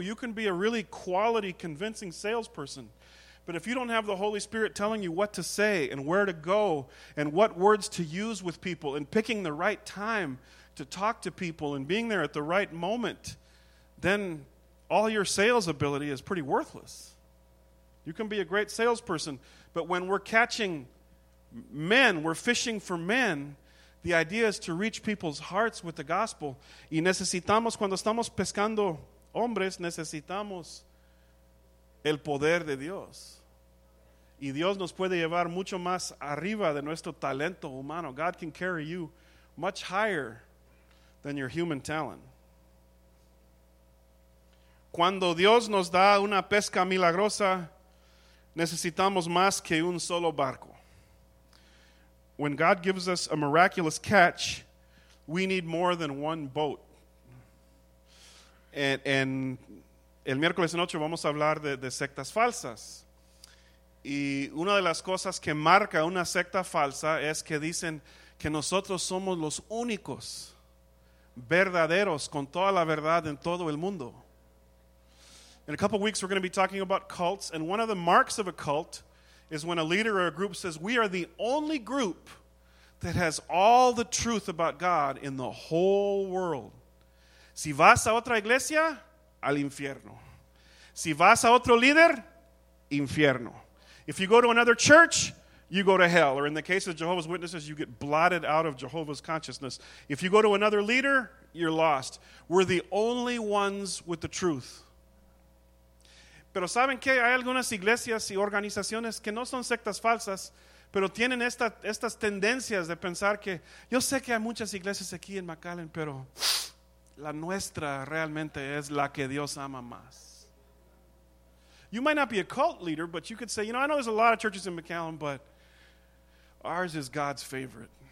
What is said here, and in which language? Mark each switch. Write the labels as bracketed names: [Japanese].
[English] You can be a really quality, convincing salesperson. But if you don't have the Holy Spirit telling you what to say and where to go and what words to use with people and picking the right time to talk to people and being there at the right moment, then all your sales ability is pretty worthless. You can be a great salesperson, but when we're catching men, we're fishing for men, the idea is to reach people's hearts with the gospel. [Spanish] Y necesitamos, cuando estamos pescando hombres, necesitamos el poder de Dios. Y Dios nos puede llevar mucho más arriba de nuestro talento humano. [English] God can carry you much higher than your human talent. [Spanish] Cuando Dios nos da una pesca milagrosa, necesitamos más que un solo barco. [English] When God gives us a miraculous catch, we need more than one boat. [Spanish] And el miércoles en ocho vamos a hablar de sectas falsas. Y una de las cosas que marca una secta falsa es que dicen que nosotros somos los únicos verdaderos con toda la verdad en todo el mundo. [English] In a couple of weeks we're going to be talking about cults, and one of the marks of a cult is when a leader or a group says, "We are the only group that has all the truth about God in the whole world." [Spanish] Si vas a otra iglesia, al infierno. Si vas a otro líder, infierno. [English] If you go to another church, you go to hell. Or in the case of Jehovah's Witnesses, you get blotted out of Jehovah's consciousness. If you go to another leader, you're lost. We're the only ones with the truth. [Spanish] Pero saben que hay algunas iglesias y organizaciones que no son sectas falsas, pero tienen estas tendencias de pensar que yo sé que hay muchas iglesias aquí en McAllen, pero la nuestra realmente es la que Dios ama más. [English] You might not be a cult leader, but you could say, "You know, I know there's a lot of churches in McAllen, but ours is God's favorite.